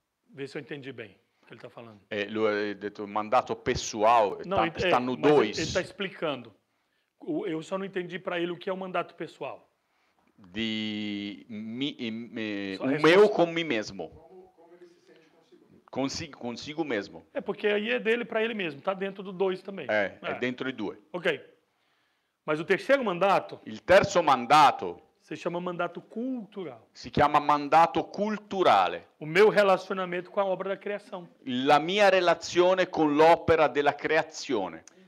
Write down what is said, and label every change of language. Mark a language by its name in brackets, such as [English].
[Portuguese] Vê se eu entendi bem. Ele está falando. Lui ha detto mandato pessoal, não, está no 2. Ele está explicando. Eu só não entendi para ele o que é o mandato pessoal. De o meu com mim mesmo. Consigo mesmo. É porque aí é dele para ele mesmo, está dentro do 2 também. É dentro de 2. Ok. Mas o terceiro mandato. [Italian] Il terzo mandato. Si chiama mandato cultural. Si chiama mandato culturale. [Portuguese] O meu relacionamento com a obra da criação. [Italian] La mia relazione con l'opera della creazione.